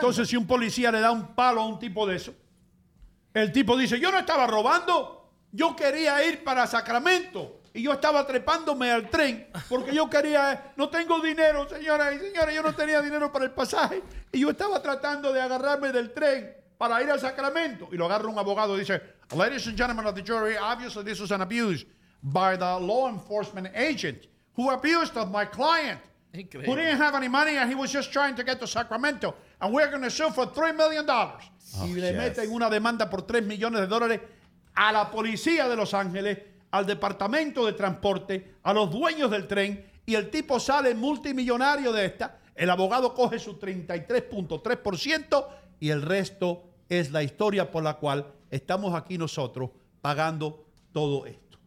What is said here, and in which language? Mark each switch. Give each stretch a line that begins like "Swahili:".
Spanish: Entonces, si un policía le da un palo a un tipo de eso, el tipo dice, yo no estaba robando, yo quería ir para Sacramento. y yo estaba trepándome al tren porque yo quería, no tengo dinero, señoras y señores, yo no tenía dinero para el pasaje y yo estaba tratando de agarrarme del tren para ir a Sacramento. Y lo agarra un abogado y dice,
English: ladies and gentlemen of the jury, obviously this was an abuse by the law enforcement agent who abused of my client.
Spanish: Increíble.
English: Who didn't have any money and he was just trying to get to Sacramento. And we're going to sue for $3 million. Oh, y le yes.
Spanish: meten una demanda por $3 millones a la policía de Los Ángeles, al departamento de transporte, a los dueños del tren, y el tipo sale multimillonario de esta. El abogado coge su 33.3% y el resto es la historia por la cual estamos aquí nosotros pagando todo esto.